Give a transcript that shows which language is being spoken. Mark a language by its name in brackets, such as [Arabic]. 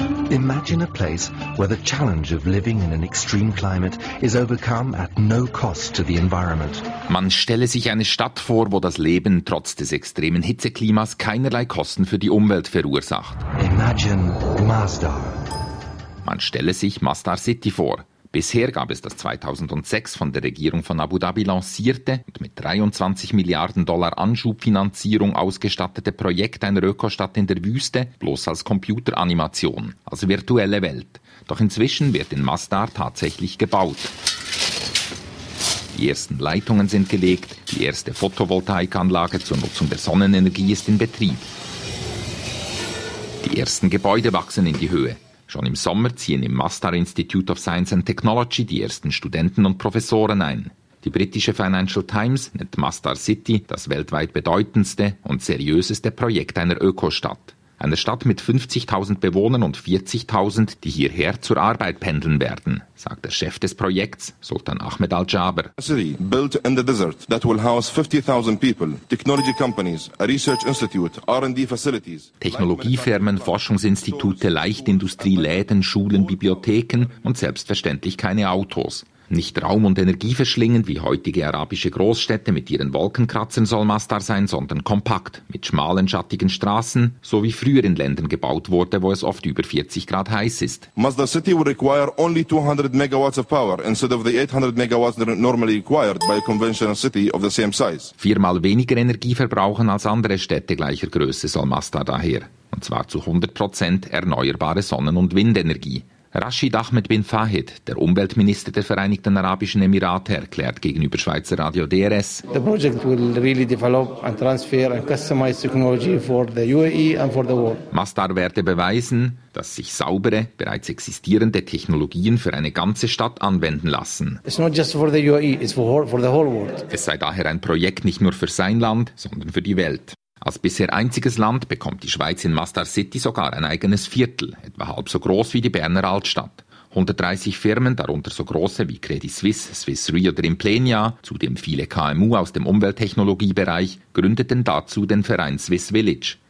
[English] Imagine a place where the challenge of living in an extreme climate is overcome at no cost to the environment. [German] Man stelle sich eine Stadt vor, wo das Leben trotz des extremen Hitzeklimas keinerlei Kosten für die Umwelt verursacht. [English] Imagine Masdar. [German] Man stelle sich Masdar City vor. Bisher gab es das 2006 von der Regierung von Abu Dhabi lancierte und mit 23 Milliarden Dollar Anschubfinanzierung ausgestattete Projekt einer Ökostadt in der Wüste bloß als Computeranimation, als virtuelle Welt. Doch inzwischen wird in Masdar tatsächlich gebaut. Die ersten Leitungen sind gelegt, die erste Photovoltaikanlage zur Nutzung der Sonnenenergie ist in Betrieb. Die ersten Gebäude wachsen in die Höhe. Schon im Sommer ziehen im Masdar Institute of Science and Technology die ersten Studenten und Professoren ein. Die britische Financial Times nennt Masdar City das weltweit bedeutendste und seriöseste Projekt einer Ökostadt. Eine Stadt mit 50.000 Bewohnern und 40.000, die hierher zur Arbeit pendeln werden, sagt der Chef des Projekts, Sultan Ahmed Al-Jaber. [English] A city built in the desert that will house 50.000 people, technology companies, a research institute, R&D facilities. [German] Technologiefirmen, Forschungsinstitute, Leichtindustrie, Läden, Schulen, Bibliotheken und selbstverständlich keine Autos. Nicht Raum und Energie verschlingen, wie heutige arabische Großstädte mit ihren Wolkenkratzern soll Masdar sein, sondern kompakt, mit schmalen, schattigen Straßen, so wie früher in Ländern gebaut wurde, wo es oft über 40 Grad heiß ist. [English] Masdar City will require only 200 megawatts of power, instead of the 800 megawatts normally required by a conventional city of the same size. [German] Viermal weniger Energie verbrauchen als andere Städte gleicher Größe soll Masdar daher. Und zwar zu 100% erneuerbare Sonnen- und Windenergie. Rashid Ahmed bin Fahid, der Umweltminister der Vereinigten Arabischen Emirate, erklärt gegenüber Schweizer Radio DRS. [English] The project will really develop and transfer and customize technology for the UAE and for the world. [German] Masdar werde beweisen, dass sich saubere, bereits existierende Technologien für eine ganze Stadt anwenden lassen. [English] It's not just for the UAE, it's for the whole world. [German] Es sei daher ein Projekt nicht nur für sein Land, sondern für die Welt. Als bisher einziges Land bekommt die Schweiz in Masdar City sogar ein eigenes Viertel, etwa halb so groß wie die Berner Altstadt. 130 Firmen, darunter so große wie Credit Suisse, Swiss Re oder Implenia, zudem viele KMU aus dem Umwelttechnologiebereich, gründeten dazu den Verein Swiss Village.